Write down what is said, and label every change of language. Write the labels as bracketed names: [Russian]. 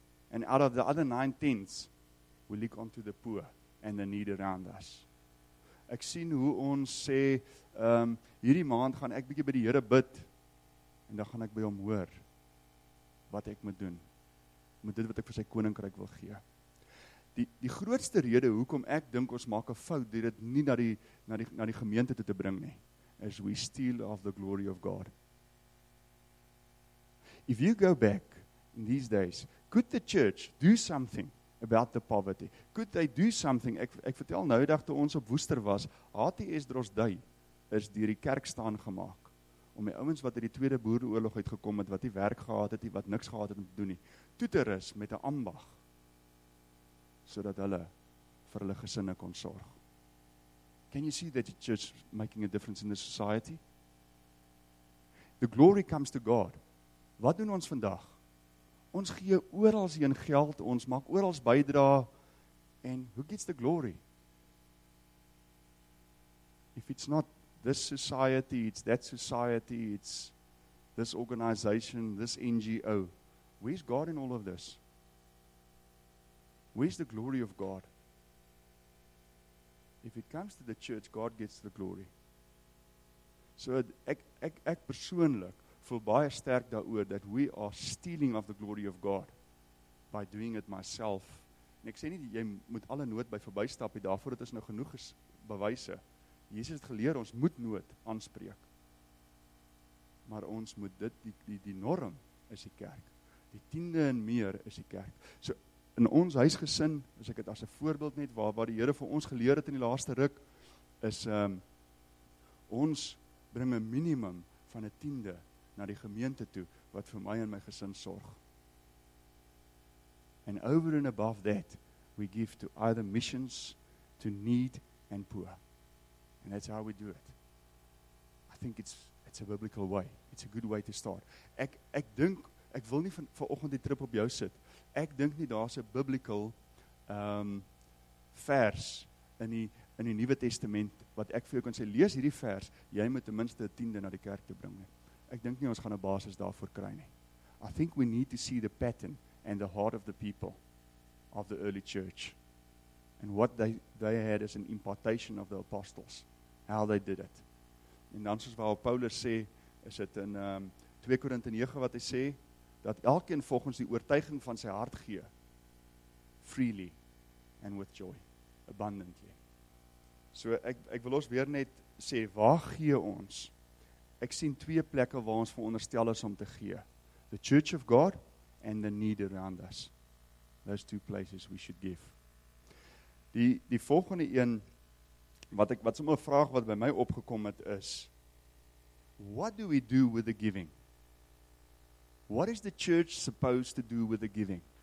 [English] And out of the other 9/10, we look onto the poor and the need around us. [Afrikaans] Ek sien hoe ons sê, hierdie maand gaan ek bietjie by die Here bid, en dan gaan ek by hom hoor, wat ek moet doen, met dit wat ek vir sy koninkryk wil gee. Die grootste rede, hoekom ek dink ons maak 'n fout, die dit nie na die gemeente toe te bring nie, is [English] we steal of the glory of God. If you go back in these days, could the church do something about the poverty? Could they do something? [Afrikaans] Ek vertel nou dag toe ons op Woester was, HTS Drosdui is deur die kerk staan gemaak. Om die ouens wat uit die Tweede Boereoorlog uitgekom het, wat nie werk gehad het nie, wat niks gehad het om te doen nie, toe te rus met 'n ambag sodat hulle vir hulle gesinne kon sorg. [English] Can you see that the church making a difference in the society? The glory comes to God. [Afrikaans] Wat doen ons vandag? Ons gee oralsheen geld, ons maak orals bydra, en [English] who gets the glory? If it's not this society, it's that society, it's this organization, this NGO. Where's God in all of this? Where's the glory of God? If it comes to the church, God gets the glory. [Afrikaans] So ek persoonlik voel baie sterk daaroor dat [English] we are stealing of the glory of God by doing it myself. [Afrikaans] En ek sê nie, jy moet alle nood by verbystap, daarvoor het ons nou genoeg bewyse. Jesus het geleer, ons moet nood aanspreek. Maar ons moet dit, die norm is die kerk. Die tiende en meer is die kerk. So, in ons huisgesin, as ek het as 'n voorbeeld net, waar die Here vir ons geleer het in die laaste ruk, is ons bring 'n minimum van 'n tiende na die gemeente toe, wat vir my en my gesin sorg. [English] And over and above that, we give to either missions, to need and poor. And that's how we do it. I think it's a biblical way. It's a good way to start. [Afrikaans] Ek dink, ek wil nie vanoggend die trip op jou sit. Ek dink nie daar's 'n biblical vers in die Nuwe Testament wat ek vir jou kan sê lees hierdie vers, jy moet ten minste 'n tiende na die kerk toe bring nie. Ek dink nie ons gaan 'n basis daarvoor kry nie. [English] I think we need to see the pattern and the heart of the people of the early church and what they had as an impartation of the apostles, how they did it. [Afrikaans] En dan soos waar Paulus sê, is dit in 2 Korinte 9 wat hy sê, dat elkeen volgens die oortuiging van sy hart gee, [English] freely and with joy, abundantly. [Afrikaans] So ek wil ons weer net sê, waar gee ons? Ek sien twee plekke waar ons veronderstel is om te gee. [English] The Church of God and the need around us. Those two places we should give. [Afrikaans] Die volgende een, wat sommer 'n vraag wat by my opgekom het is, [English] what do we do with the giving? What is the church supposed to do with the giving?